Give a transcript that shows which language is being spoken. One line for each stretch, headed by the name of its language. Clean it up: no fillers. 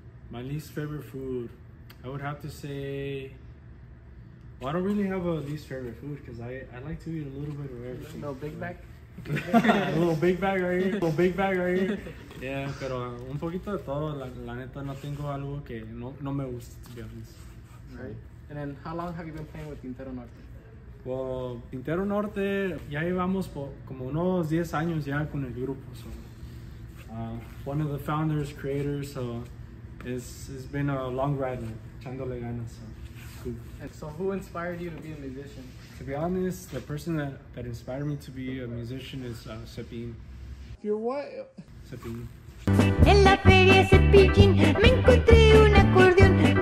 English: My least favorite food, I would have to say, well, I don't really have a least favorite food because I like to eat a little bit of everything. A little Big Mac right here.
Spanish: Yeah, pero un poquito de todo. La neta, no tengo algo que no me gusta,
English: to be honest. Right. And then how long have you been playing with Tintero Norte?
Spanish: Well, Tintero Norte, ya llevamos como unos 10 años ya con el grupo.
English: So, one of the founders, creators, so it's been a long ride, man.
Spanish: Echándole ganas, so.
English: And so who inspired you to be a musician? To be honest, the person that inspired me to be a musician is Sepin. You're what? Sepin.
Spanish: En la feria de Pekín me encontré un acordeón.